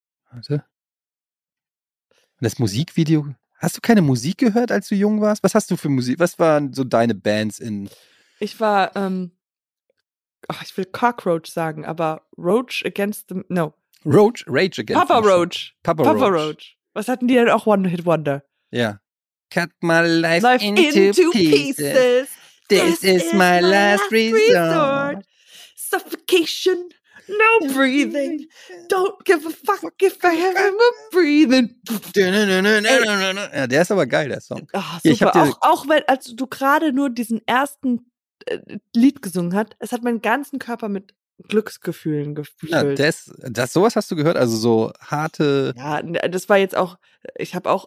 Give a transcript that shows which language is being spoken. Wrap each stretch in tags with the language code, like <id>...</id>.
<de>Warte. Und das Musikvideo. Hast du keine Musik gehört, als du jung warst? Was hast du für Musik? Was waren so deine Bands in. Ich war. Ich will Cockroach sagen, aber Roach Against the.</de> <en>No. Roach? Rage Against Papa the. Roach. Papa Roach.</en> <de>Was hatten die denn auch?</de> <en>One Hit Wonder.</en> <de>Ja. Yeah.</de> <en>Cut my life into pieces. This is my last resort. Suffocation. No breathing. Don't give a fuck if I have a breathing.</en> <de>Ja, der ist aber geil, der Song. Ach, super. Ich hab auch weil als du gerade nur diesen ersten Lied gesungen hast, es hat meinen ganzen Körper mit Glücksgefühlen gefühlt. Ja, das sowas hast du gehört, also so harte. Ja, das war jetzt auch. Ich habe auch.</de>